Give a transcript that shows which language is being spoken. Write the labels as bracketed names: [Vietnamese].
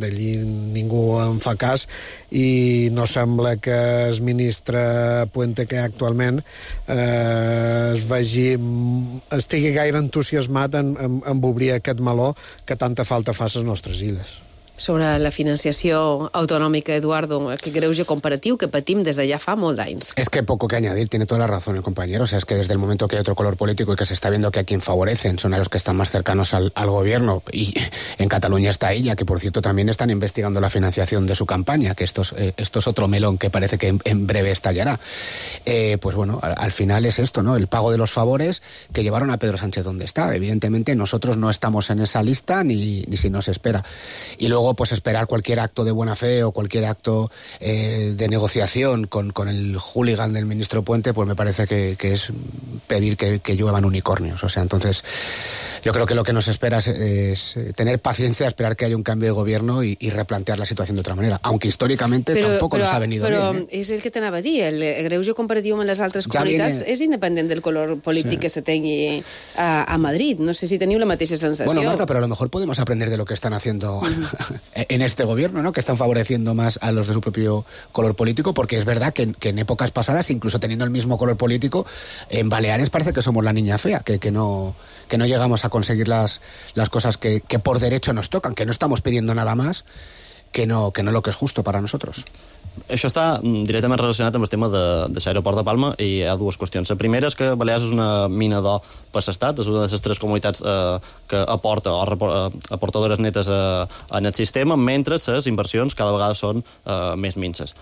[Catalan] D'allí ningú en fa cas i no sembla que el ministre Puente, que actualment estigui gaire entusiasmat en obrir aquest meló que tanta falta fa a les nostres illes. Sobre la financiació autonòmica, Eduardo, aquest greuge comparatiu que patim des de ja fa molt d'anys. [Spanish] És que poco que añadir, tiene toda la razón el compañero. O sea, es que desde el momento que hay otro color político y que se está viendo que a quien favorecen son a los que están más cercanos al gobierno, y en Cataluña está ella, que por cierto también están investigando la financiación de su campaña, que esto es otro melón que parece que en breve estallará. Pues bueno, al final es esto, ¿no? El pago de los favores que llevaron a Pedro Sánchez donde está. Evidentemente nosotros no estamos en esa lista ni si nos espera. Y luego, pues esperar cualquier acto de buena fe o cualquier acto de negociación con el hooligan del ministro Puente, pues me parece que es pedir que lluevan unicornios. O sea, entonces, yo creo que lo que nos espera es tener paciencia, esperar que haya un cambio de gobierno y replantear la situación de otra manera. Aunque históricamente tampoco nos ha venido pero bien. [Catalan] Pero es el que te anava a dir, el greuge comparativo amb les altres comunitats és independent del color polític, sí, que se tingui a Madrid. No sé si teniu la mateixa sensació. [Spanish] Bueno, Marta, pero a lo mejor podemos aprender de lo que están haciendo en este gobierno, ¿no? Que están favoreciendo más a los de su propio color político, porque es verdad que en épocas pasadas, incluso teniendo el mismo color político, en Baleares parece que somos la niña fea, que no llegamos a conseguir las cosas que por derecho nos tocan, que no estamos pidiendo nada más que no lo que es justo para nosotros. [Catalan] Això està directament relacionat amb el tema de l'aeroport de Palma, i hi ha dues qüestions. La primera és que Balears és una mina d'or per l'Estat, és una de les tres comunitats que aporta o aportadores netes en el sistema, mentre les inversions cada vegada són més minces.